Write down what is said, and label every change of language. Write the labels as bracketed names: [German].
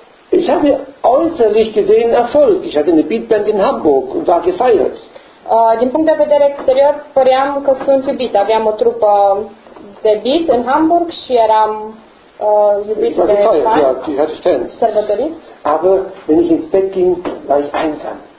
[German] Ich hatte äußerlich gesehen Erfolg. Ich hatte eine Beatband in Hamburg und war gefeiert. [Romanian] Din punct de vedere exterior, păream că sunt iubit. Aveam o trupă de beat în Hamburg și eram [German] ich war gefeiert, ja, die hatte ich Fans. Aber wenn ich ins Bett ging, war ich einsam.